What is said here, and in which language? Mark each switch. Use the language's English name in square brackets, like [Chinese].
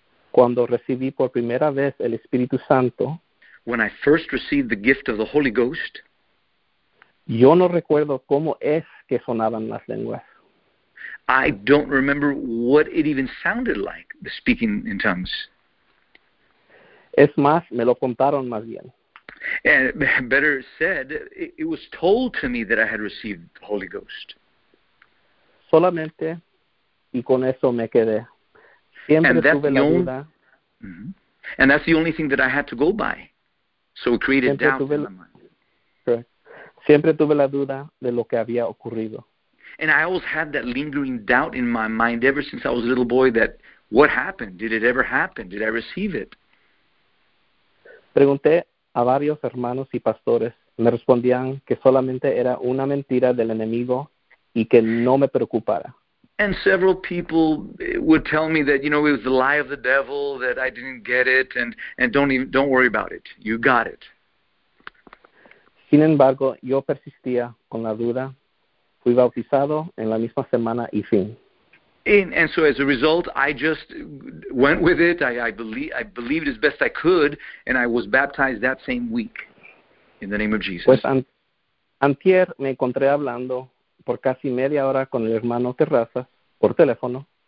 [Spanish] cuando recibí por primera vez el Espíritu Santo, [English] when I first received the gift of the Holy Ghost, [Spanish] yo no recuerdo cómo es que sonaban las lenguas. [English] I don't remember what it even sounded like, the speaking in tongues. [Spanish] Es más, me lo contaron más bien. [English] And better said, it was told to me that I had received the Holy Ghost. [Spanish] Solamente, y con eso me quedé. Siempre tuve la duda. Mm-hmm. [English] And that's the only thing that I had to go by. So it created doubt in my mind. [Spanish] Siempre tuve la duda de lo que había ocurrido. [English] And I always had that lingering doubt in my mind ever since I was a little boy that what happened? Did it ever happen? Did I receive it? [Spanish] Pregunté a varios hermanos y pastores me respondían que solamente era una mentira del enemigo y que no me preocupara. [English] And several people would tell me that, you know, it was the lie of the devil, that I didn't get it, and don't worry about it. You got it. [Spanish] Sin embargo, yo persistía con la duda. Fui bautizado en la misma semana y fin. [English] And so as a result, I just went with it. I believed as best I could, and I was baptized that same week in the name of Jesus. [Spanish] Pues antier me encontré hablando por casi media hora con el hermano Terraza por teléfono.